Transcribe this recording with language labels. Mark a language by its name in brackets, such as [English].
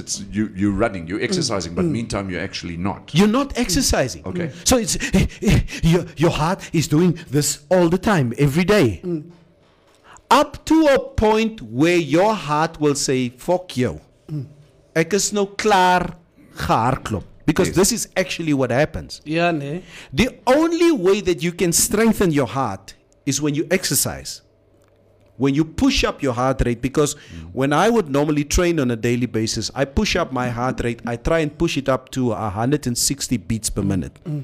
[English] You're running, you're exercising, but meantime you're actually not. You're not exercising. Okay. So it's your heart is doing this all the time, every day. Up to a point where your heart will say, fuck you. [Afrikaans] Ek is nou klaar gehardloop. [English] Because this is actually what happens. Yeah, nee. The only way that you can strengthen your heart is when you exercise. When you push up your heart rate, because when I would normally train on a daily basis, I push up my heart rate. I try and push it up to 160 beats per minute.